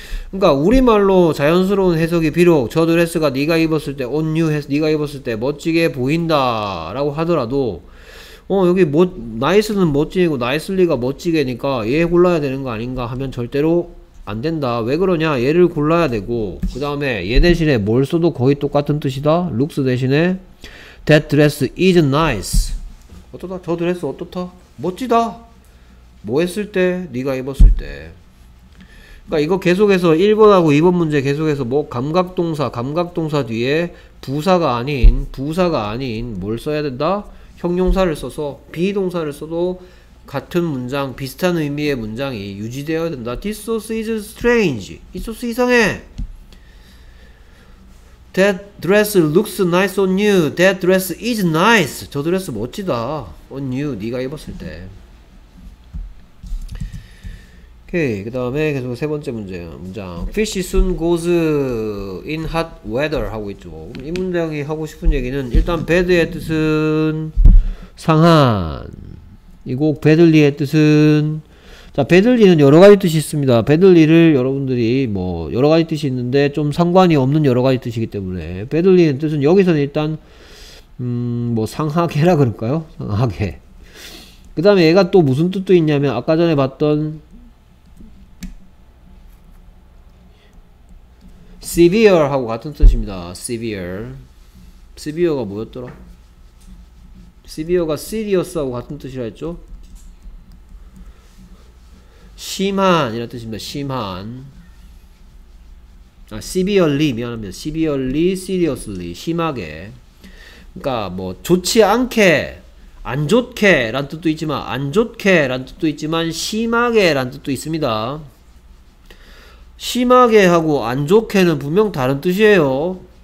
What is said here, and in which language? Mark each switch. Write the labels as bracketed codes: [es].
[ko] 그러니까 우리말로 자연스러운 해석이 비록 저 드레스가 네가 입었을 때 [en] on you [ko] 해서 네가 입었을 때 멋지게 보인다 라고 하더라도 어 여기 nice는 멋지고 nicely가 멋지게니까 얘 골라야 되는 거 아닌가 하면 절대로 안 된다. 왜 그러냐, 얘를 골라야 되고 그 다음에 얘 대신에 뭘 써도 거의 똑같은 뜻이다. [en] looks [ko] 대신에 [en] that dress is nice. [ko] 어떻다, 저 드레스 어떻다, 멋지다. 뭐 했을 때, 네가 입었을 때. 그러니까 이거 계속해서 1번하고 2번 문제 계속해서 뭐 감각동사, 감각동사 뒤에 부사가 아닌, 부사가 아닌 뭘 써야 된다, 형용사를 써서 비동사를 써도 같은 문장, 비슷한 의미의 문장이 유지되어야 된다. [en] This sauce is strange. [ko] 이 소스 이상해. [en] That dress looks nice on you. That dress is nice. [ko] 저 드레스 멋지다. [en] On you. [ko] 네가 입었을 때. 오케이. 그 다음에 계속 세 번째 문장. [en] Fish soon goes in hot weather 하고 있죠. [ko] 이 문장이 하고 싶은 얘기는 일단 bad의 뜻은 상한. 이거 배들리의 뜻은, 자 배들리는 여러 가지 뜻이 있습니다. 배들리를 여러분들이 뭐 여러 가지 뜻이 있는데 좀 상관이 없는 여러 가지 뜻이기 때문에 배들리는 뜻은 여기서는 일단 뭐 상하게라 그럴까요? 상하게. 그 다음에 얘가 또 무슨 뜻도 있냐면 아까 전에 봤던 severe 하고 같은 뜻입니다. severe. severe가 뭐였더라? severe가 serious하고 같은 뜻이라 했죠? 심한 이라는 뜻입니다. 심한. 아, severely, 미안합니다. severely, seriously, 심하게. 그러니까 뭐 좋지 않게, 안 좋게 라는 뜻도 있지만, 안 좋게 라는 뜻도 있지만 심하게 라는 뜻도 있습니다. 심하게 하고 안 좋게는 분명 다른 뜻이에요.